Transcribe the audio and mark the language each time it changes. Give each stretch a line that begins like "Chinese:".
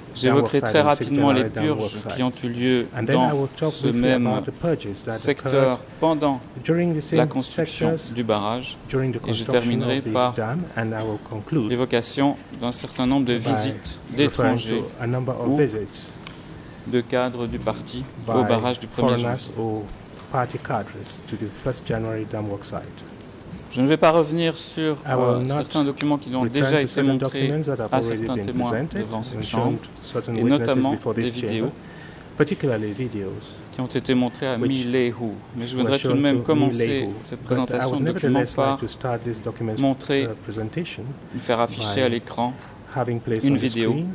French: J'évoquerai très rapidement les purges qui ont eu lieu dans ce même secteur pendant la construction du barrage et je terminerai par l'évocation d'un certain nombre de visites d'étrangers ou de cadres du parti au barrage du 1er janvier.
English: Party cadres to the 1st January dam work site.
French: Je ne vais pas revenir sur certains documents qui ont déjà été montrés à certains témoins devant cette chambre, et notamment des vidéos,
English: particularly videos,
French: qui ont été montrées à Mi Lehu. Mais je voudrais tout de même commencer cette présentation de documents par montrer, me faire afficher à l'écran une vidéo.